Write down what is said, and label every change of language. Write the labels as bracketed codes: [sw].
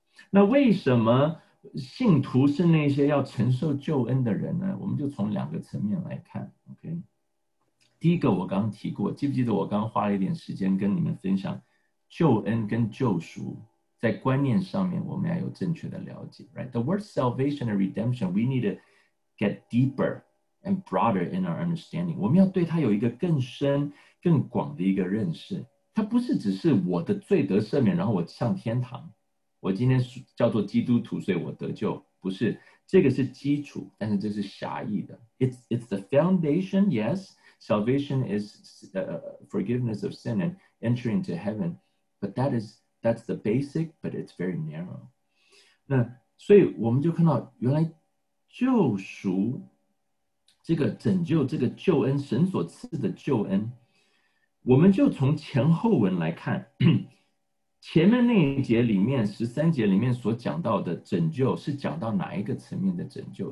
[zh] 那为什么信徒是那些要承受救恩的人呢？我们就从两个层面来看。 [en] Okay? [zh] 第一个我刚提过，记不记得我刚花了一点时间跟你们分享救恩跟救赎在观念上面我们要有正确的了解， [en] right? The word salvation and redemption, we need to get deeper and broader in our understanding. [zh] 我们要对它有一个更深更广的一个认识。它不是只是我的罪得赦免然后我上天堂，我今天叫做基督徒所以我得救，不是，这个是基础，但是这是狭义的。 [en] It's the foundation, yes, salvation is forgiveness of sin and entering into heaven, but that's the basic, but it's very narrow. [zh] 那所以我们就看到原来救赎这个拯救这个救恩神所赐的救恩，我们就从前后文来看，前面那一节里面十三节里面所讲到的拯救是讲到哪一个层面的拯救？